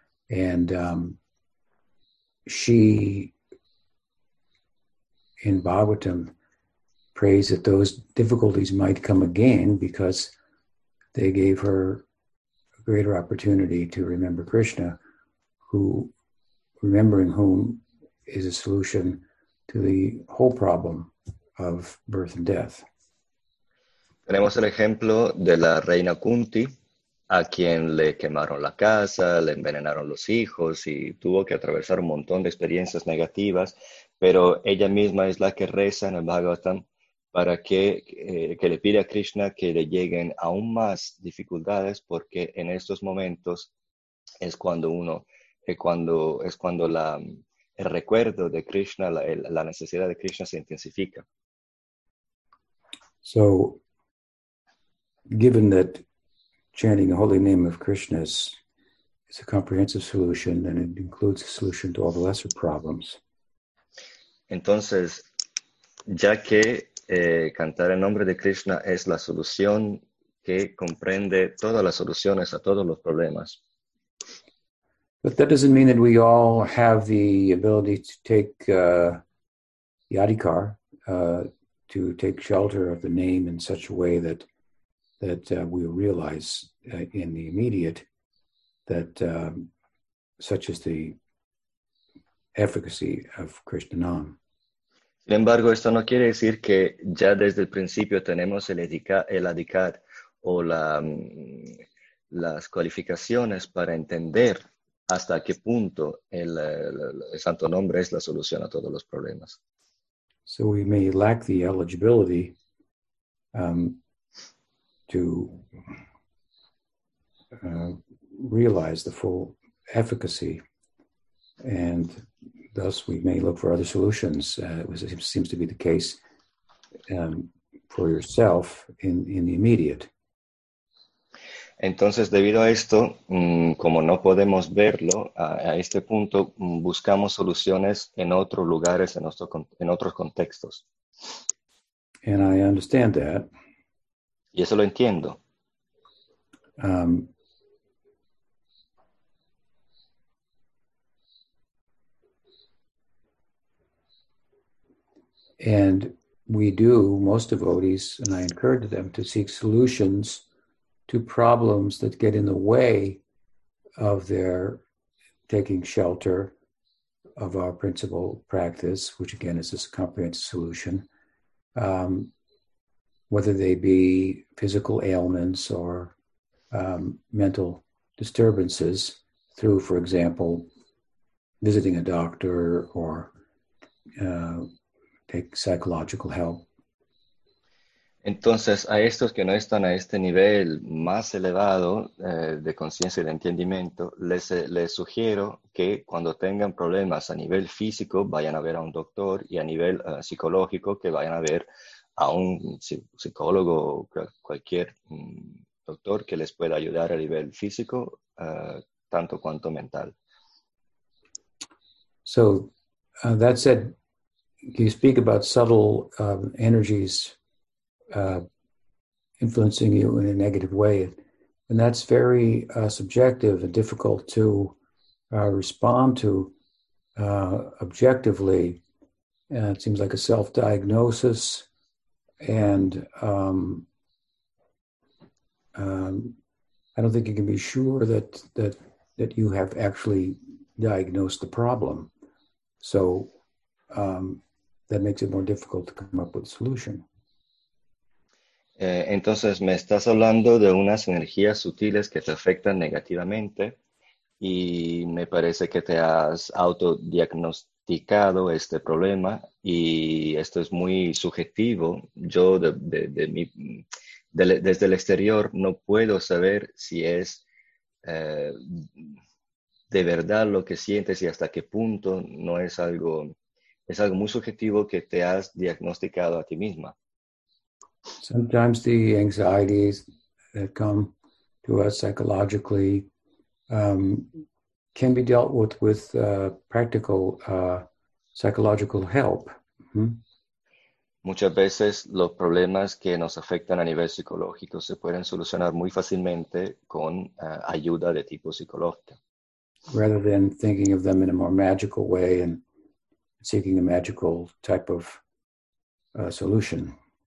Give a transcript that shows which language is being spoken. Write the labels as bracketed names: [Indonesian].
[English] And she, in Bhagavatam, prays that those difficulties might come again because they gave her greater opportunity to remember Krishna, who remembering whom is a solution to the whole problem of birth and death. [Spanish] Tenemos el ejemplo de la reina Kunti, a quien le quemaron la casa, le envenenaron los hijos y tuvo que atravesar un montón de experiencias negativas, pero ella misma es la que reza en el Bhagavatam para que le pide a Krishna que le lleguen aún más dificultades, porque en estos momentos es cuando uno, es cuando el recuerdo de Krishna, la necesidad de Krishna se intensifica. [English] So, given that chanting the holy name of Krishna is a comprehensive solution, then it includes a solution to all the lesser problems. [Spanish] Entonces, ya que cantar el nombre de Krishna es la solución que comprende todas las soluciones a todos los problemas. [English] But that doesn't mean that we all have the ability to take the adhikar, to take shelter of the name in such a way that we realize in the immediate that such is the efficacy of Krishna Nam. [Spanish] Sin embargo, esto no quiere decir que ya desde el principio tenemos el adhikar o las cualificaciones para entender hasta qué punto el santo nombre es la solución a todos los problemas. [English] So we may lack the eligibility to realize the full efficacy, and thus we may look for other solutions. It seems to be the case for yourself in the immediate. [Spanish] Entonces, debido a esto, como no podemos verlo, a este punto buscamos soluciones en otros lugares, en otros contextos. [English] And I understand that. [Spanish] Y eso lo entiendo. [English] And we do, most devotees, and I encourage them to seek solutions to problems that get in the way of their taking shelter of our principal practice, which again is a comprehensive solution, whether they be physical ailments or mental disturbances through, for example, visiting a doctor or take psychological help. [Spanish] Entonces, a estos que no están a este nivel más elevado de conciencia y de entendimiento, les sugiero que cuando tengan problemas a nivel físico, vayan a ver a un doctor, y a nivel psicológico, que vayan a ver a un psicólogo o cualquier doctor que les pueda ayudar a nivel físico, tanto cuanto mental. [English] So, that said, can you speak about subtle energies influencing you in a negative way? And that's very subjective and difficult to respond to objectively. And it seems like a self-diagnosis and I don't think you can be sure that you have actually diagnosed the problem. So that makes it more difficult to come up with a solution. [Spanish] Entonces, me estás hablando de unas energías sutiles que te afectan negativamente y me parece que te has autodiagnosticado este problema y esto es muy subjetivo. Yo desde el exterior no puedo saber si es de verdad lo que sientes y hasta qué punto no es algo, es algo muy subjetivo que te has diagnosticado a ti misma. [English] Sometimes the anxieties that come to us psychologically can be dealt with practical psychological help. Mm-hmm. [Spanish] Muchas veces los problemas que nos afectan a nivel psicológico se pueden solucionar muy fácilmente con ayuda de tipo psicológica. [English] Rather than thinking of them in a more magical way and seeking a magical type of solution.